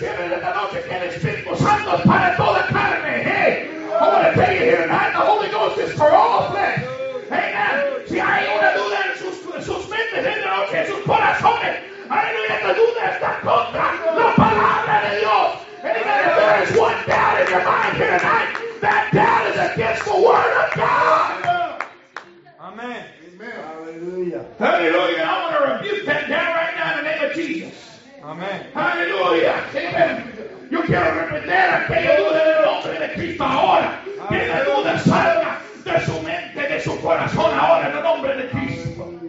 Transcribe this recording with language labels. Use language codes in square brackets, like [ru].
[es] Quiero decirle esta noche que el Espíritu Santo es para toda carne. [en] Hey, I want to tell you here tonight, the Holy Ghost is for all flesh. Amen. [es] Si hay una duda en sus mentes, en la noche, en sus corazones, aleluya, esta duda está contra la palabra de Dios. Amen. [en] If there is one doubt in your mind here tonight, that doubt is against the word of God. Amen. Hallelujah. Hallelujah. I want to rebuke that doubt right now in the name of Jesus. Amen. Hallelujah. Amen. [es] Yo quiero reprender aquella duda del hombre de Cristo ahora. Que la duda salga de su mente, de su corazón ahora en el nombre de Cristo.